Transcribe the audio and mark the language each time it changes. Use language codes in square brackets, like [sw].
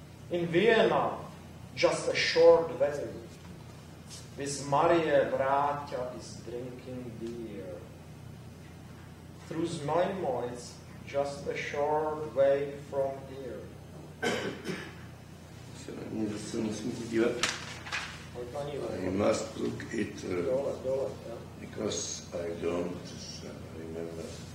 [en] In Vienna, just a short way, Miss Marie Vrátě is drinking beer. Through Znojmo it's just a short way from here. [cs] Se na mě zase musím podívat. [en] I must look it because I don't remember.